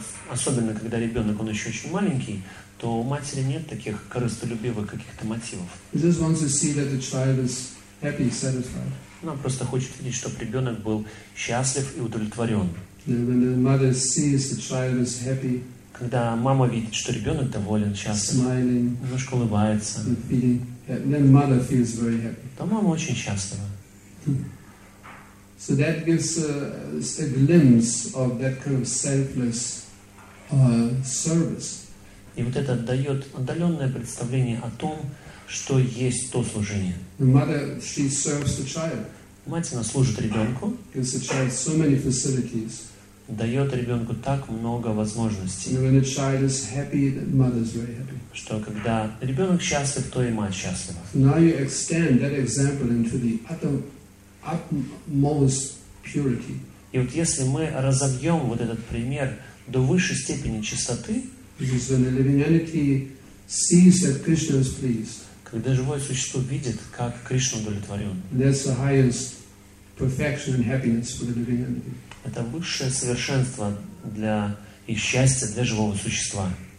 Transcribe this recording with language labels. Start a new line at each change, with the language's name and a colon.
Russian: Особенно когда ребенок он еще очень маленький, то у матери нет таких корыстолюбивых каких-то мотивов.
English: She just wants to see that the child is happy, satisfied.
Russian: Она просто хочет видеть, чтобы ребенок был счастлив и удовлетворен.
English: When the mother sees the child is happy.
Russian: Когда мама видит, что ребенок доволен, счастлив,
English: smiling,
Russian: немножко улыбается.
English: Then mother feels very happy.
Russian: То мама очень счастлива.
English: So that gives a glimpse of that kind of selfless service.
Russian: И вот это дает отдаленное представление о том, что есть то служение.
English: The mother, she serves the child.
Russian: Мать, она служит ребенку.
English: Gives the child so many facilities.
Russian: Дает ребенку так много возможностей.
English: And when a child is happy, the mother is very happy.
Russian: Что когда ребенок счастлив, то и мать счастлива.
English: Now you extend that example into the utmost purity.
Russian: И вот если мы разобьем вот этот пример до высшей степени чистоты,
English: when a living entity sees that Krishna is pleased,
Russian: когда живое существо видит, как Кришна удовлетворен,
English: that's the highest perfection and happiness for the living entity.
Russian: Это высшее совершенство для и счастье для живого существа.